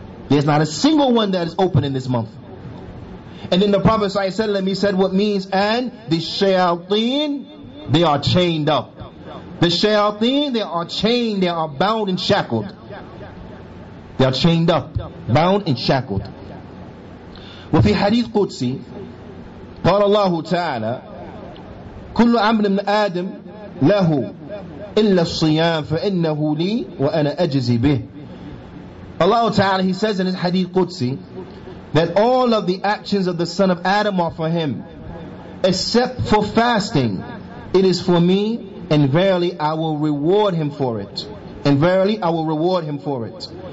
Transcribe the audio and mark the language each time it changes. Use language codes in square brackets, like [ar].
[en] There's not a single one that is open in this month. And then the Prophet ﷺ, he said, what means, and the shayateen, they are chained up. The shayateen, they are chained, they are bound and shackled. They are chained up, bound and shackled. [ar] وفي حديث قدسي قال الله تعالى كل عمل من آدم له إلا الصيام فإنه لي وأنا أجزي به. [en] Allah Ta'ala, he says in his hadith qudsi, that all of the actions of the son of Adam are for him, except for fasting. It is for me, and verily I will reward him for it. And verily I will reward him for it.